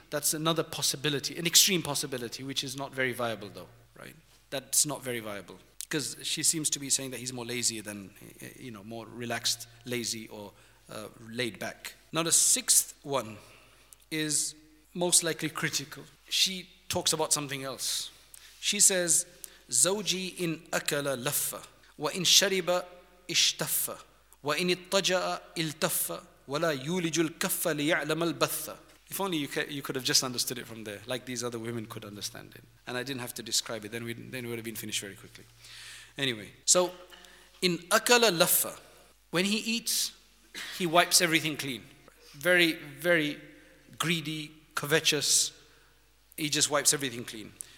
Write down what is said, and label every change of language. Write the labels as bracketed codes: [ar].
[en] That's another possibility, an extreme possibility, which is not very viable though, right? That's not very viable. Because she seems to be saying that he's more lazy than, you know, more relaxed, lazy, or laid back. Now the sixth one is most likely critical. She talks about something else. She says, [ar] زوجي إن أكل لفة وإن شرب اشتفة وإن اضطجع التفة ولا يولج الكفة ليعلم البثة. [en] If only you could have just understood it from there, like these other women could understand it. And I didn't have to describe it, then we would have been finished very quickly. Anyway, so in [ar] akala laffa, [en] when he eats, he wipes everything clean. Very, very greedy, covetous, he just wipes everything clean.